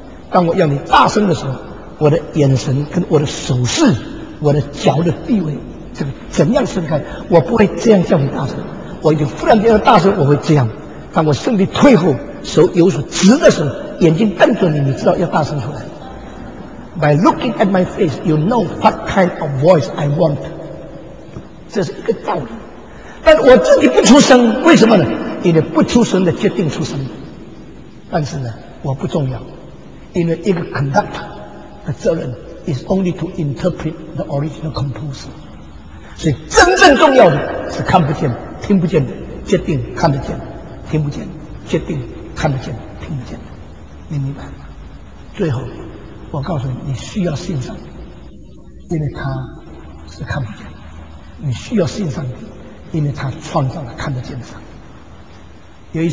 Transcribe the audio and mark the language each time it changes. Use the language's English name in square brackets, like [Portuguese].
[Chinese] 当我要你大声的时候，我的眼神跟我的手势，我的脚的地位，这个怎样伸开，我不会这样叫你大声，我已经忽然间要大声，我会这样。当我身体退后，手有所直的时候，眼睛瞪着你，你知道要大声出来。 [English] By looking at my face, you know what kind of voice I want。 [Chinese] 这是一个道理。但我自己不出声，为什么呢？因为不出声的决定出声。但是呢，我不重要，因为一个 conductor 的责任 [English] is only to interpret the original composer。 [Chinese] 所以真正重要的是看不见听不见的决定，看得见听不见，决定看得见听不见，你明白吗？最后我告诉你，你需要信上帝，因为他是看不见，你需要信上帝，因为他创造了看得见的上帝。